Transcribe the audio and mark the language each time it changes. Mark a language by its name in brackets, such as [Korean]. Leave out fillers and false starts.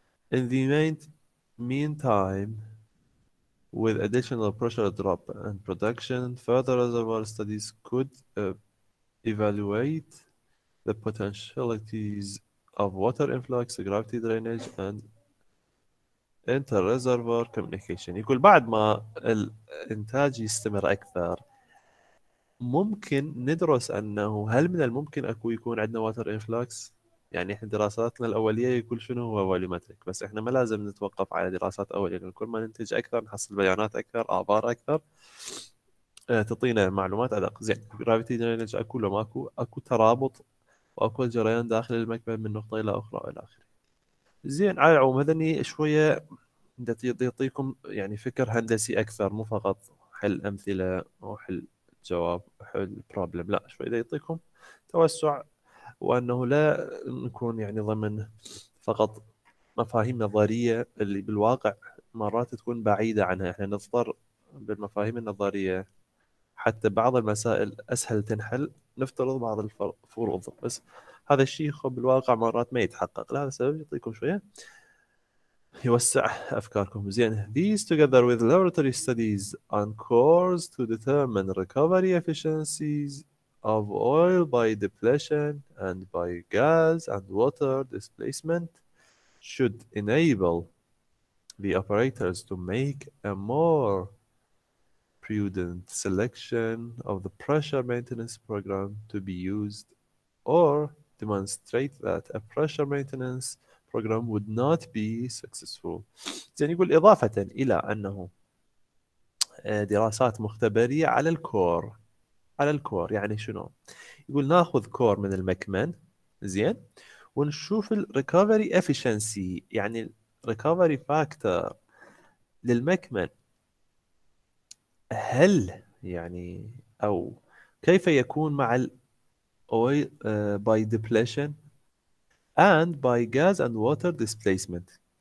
[English] In the meantime, with additional pressure drop and production, further reservoir studies could evaluate the potentialities of water influx, gravity drainage, and inter-reservoir communication. [Arabic] يقول بعد ما الإنتاج يستمر أكثر، ممكن ندرس أنه هل من الممكن أكو يكون عندنا water influx؟ يعني احنا دراساتنا الاوليه يقول شنو هو فوليومتريك، بس احنا ما لازم نتوقف على دراسات اوليه، لان كل ما ننتج اكثر نحصل بيانات اكثر، ابار اكثر، تعطينا معلومات ادق. زين، جرافيتي درينج اكو لو ماكو؟ اكو ترابط، واكو جريان داخل المكمن من نقطه الى اخرى الى اخره. زين، على العموم هذني شويه يعطيكم يعني فكر هندسي اكثر، مو فقط حل امثله وحل جواب حل بروبلم، لا شويه يعطيكم توسع، وأنه لا نكون يعني ضمن فقط مفاهيم نظرية اللي بالواقع مرات تكون بعيدة عنها. إحنا نضطر بالمفاهيم النظرية حتى بعض المسائل أسهل تنحل، نفترض بعض الفروض، بس هذا الشيء بالواقع مرات ما يتحقق. لهذا السبب يعطيكم شوية يوسع أفكاركم. زين، [English] these together with laboratory studies on cores to determine recovery efficiencies of oil by depletion and by gas and water displacement should enable the operators to make a more prudent selection of the pressure maintenance program to be used, or demonstrate that a pressure maintenance program would not be successful. [Arabic] زين، يقول إضافة إلى أنه دراسات مختبرية على الكور. على الكور يعني شنو؟ يقول ناخذ كور من المكمن، زين، ونشوف الريكفري افشنسي، يعني الريكفري فاكتور للمكمن، هل يعني او كيف يكون مع [English] الاويل by depletion and by gas and water displacement.